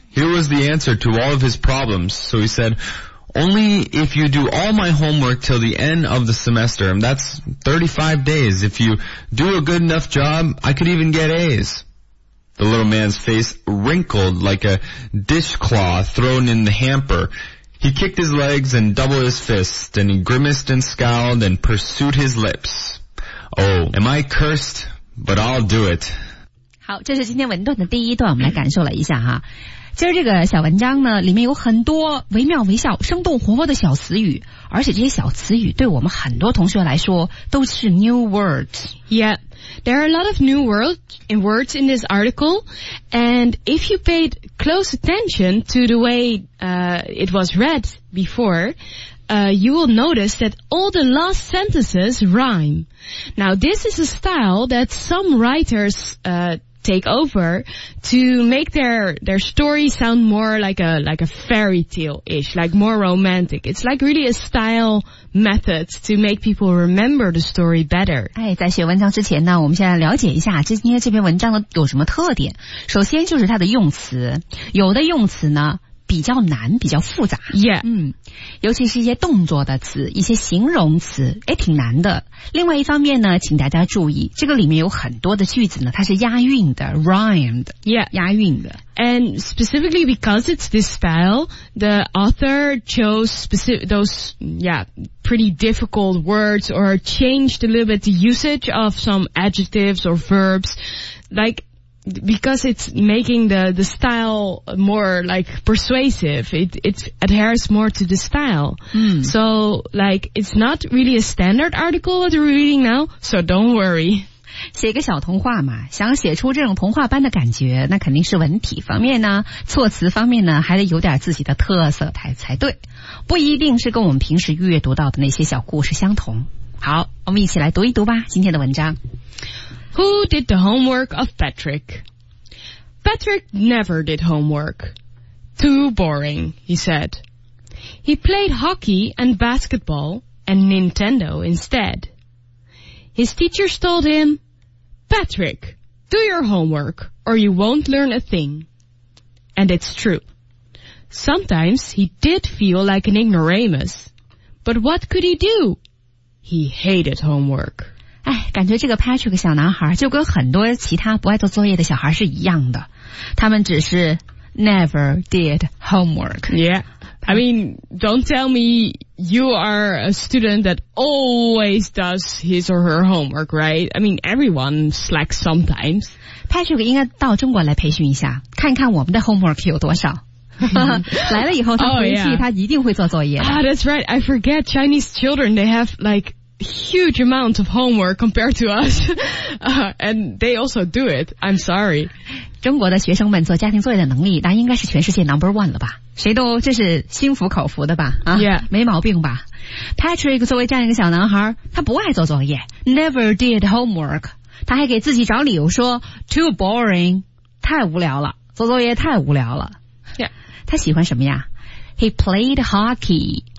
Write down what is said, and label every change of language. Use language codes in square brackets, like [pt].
[en] Here was the answer to all of his problems. So he said, only if you do all my homework till the end of the semester, and that's 35 days, if you do a good enough job, I could even get A's. The little man's face wrinkled like a dishcloth thrown in the hamper. He kicked his legs and doubled his fist, and he grimaced and scowled and pursued his lips. Oh, am I cursed? But I'll do it. [zh] 好，这是今天文段的第一段，我们来感受了一下哈。今儿这个小文章呢，里面有很多惟妙惟肖、生动活泼的小词语，而且这些小词语对我们很多同学来说都是 [en] new words. Yeah, there are a lot of new words in this article, and if you paid close attention to the way it was read before, you will notice that all the last sentences rhyme. Now, this is a style that some writers take over to make their story sound more like a fairy tale-ish, like more romantic. It's like really a style method to make people remember the story better. [zh] 哎，在写文章之前呢，我们先来了解一下今天这篇文章有什么特点。首先就是它的用词，有的用词呢比较难，比较复杂。 [en] Yeah. [zh] 嗯，尤其是一些动作的词，一些形容词，诶，挺难的。另外一方面呢，请大家注意，这个里面有很多的句子呢，它是押韵的 , [en] rhymed。 Yeah. [zh] 押韵的。 [en] And specifically because it's this style, the author chose pretty difficult words or changed a little bit the usage of some adjectives or verbs, like,because it's making the style more like persuasive, it adheres more to the style. So like it's not really a standard article that we're reading now, so don't worry. [zh] 写个小童话嘛，想写出这种童话般的感觉，那肯定是文体方面呢，措辞方面呢，还得有点自己的特色才对，不一定是跟我们平时阅读到的那些小故事相同。好，我们一起来读一读吧，今天的文章。 [en] Who did the homework of Patrick? Patrick never did homework. Too boring, he said. He played hockey and basketball and Nintendo instead. His teachers told him, Patrick, do your homework or you won't learn a thing. And it's true. Sometimes he did feel like an ignoramus. But what could he do? He hated homework. [zh] 哎，感觉这个 Patrick 小男孩就跟很多其他不爱做作业的小孩是一样的，他们只是 [en] never did homework. Yeah, I mean, don't tell me you are a student that always does his or her homework, right? I mean, everyone slacks sometimes. [zh] Patrick 应该到中国来培训一下，看看我们的 homework 有多少。来了以后，他回去、 [en] oh, yeah. [zh] 他一定会做作业的。 [en] Ah, that's right. I forget Chinese children, they have like. Huge amount of homework compared to us, and they also do it. I'm sorry. [zh] 中国的学生们做家庭作业的能力，那应该是全世界 [en] number one [zh] 了吧？谁都这是心服口服的吧？啊、 [en] yeah. ， [zh] 没毛病吧 ？Patrick 作为这样一个小男孩，他不爱做作业 ， [en] never did homework. [zh] 他还给自己找理由说 [en] too boring, [zh] 太无聊了，做作业太无聊了。 [en] Yeah. [zh] 他喜欢什么呀 ？ [en] He played hockey.